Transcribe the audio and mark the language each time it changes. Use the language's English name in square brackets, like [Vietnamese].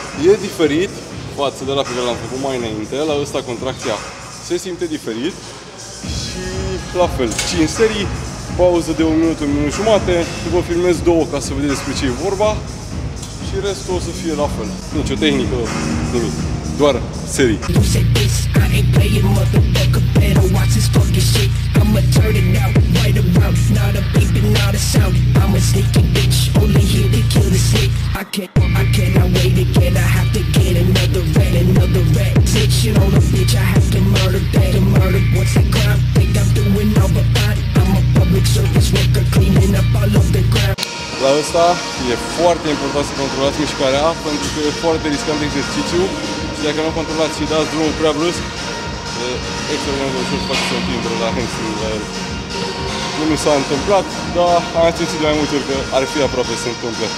[Romanian] E diferit față de la pe care l-am făcut mai înainte, la ăsta contracția se simte diferit. Și la fel, 5 serii, pauză de 1 minut, 1 minut jumate, vă filmez 2 ca să vedeți despre ce e vorba. Și restul o să fie la fel, nicio tehnică, nimic. Doar serii. [English] You said this, I ain't playing, motherfucker. Better watch this fucking shit. I'ma turn it out, right around. Not a beep and not a sound. I'm a sneaky bitch, only here to kill the snake. I cannot wait again. I have to get another rat, another rat. Take shit on a bitch, I have to murder that. To murder, what's that crime? Think I'm doing all but body. I'm a public service worker, cleaning up all of the crime. [Romanian] La ăsta e foarte important să controlați mișcarea, pentru că e foarte riscant de exercițiu. Dacă nu controlați și dați drumul prea brusc, e extrem de ușor să faceți un timp la hamstring la el. Nu mi s-a întâmplat, dar am simțit de mai multe ori că ar fi aproape să întâmple.